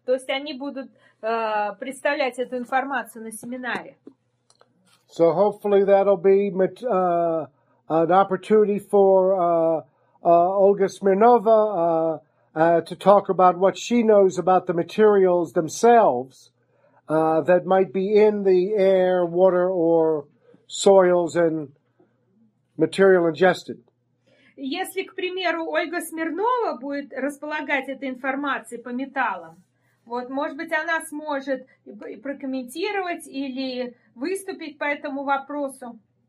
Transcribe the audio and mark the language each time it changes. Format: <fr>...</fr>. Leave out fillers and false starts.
<ru>То есть они будут представлять эту информацию на семинаре.</ru> <en>So hopefully that'll be... an opportunity for Olga Smirnova to talk about what she knows about the materials themselves that might be in the air, water, or soils and material ingested.</en> <ru>Если, к примеру, Ольга Смирнова будет располагать этой информацией по металлам, вот, может быть, она сможет прокомментировать или выступить по этому вопросу.</ru>